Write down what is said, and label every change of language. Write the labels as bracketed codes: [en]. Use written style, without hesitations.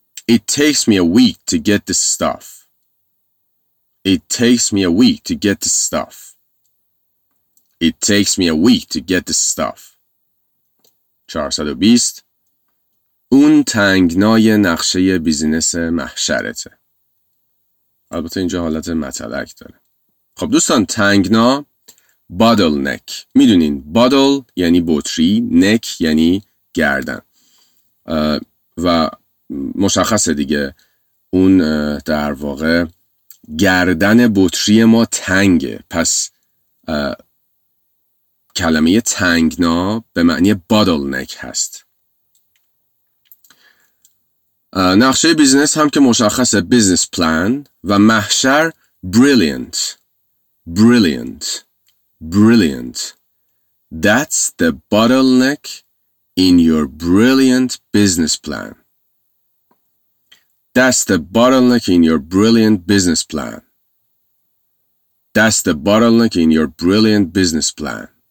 [en] It takes me a week to get this stuff. It takes me a week to get this stuff. It takes me a week to get this stuff. 420. [fa] اون تنگنای نقشه بیزینس محشرته. البته اینجا حالت متلک داره. خب دوستان تنگنا bottleneck. میدونین bottle یعنی بطری، neck یعنی گردن. و مشخصه دیگه اون در واقع گردن بطری ما تنگه. پس کلمه تنگنا به معنی bottleneck هست. نقشه بیزنس هم که مشخصه بیزنس پلان و محشر brilliant. [en] Brilliant. Brilliant. That's the bottleneck in your brilliant business plan. That's the bottleneck in your brilliant business plan. That's the bottleneck in your brilliant business plan.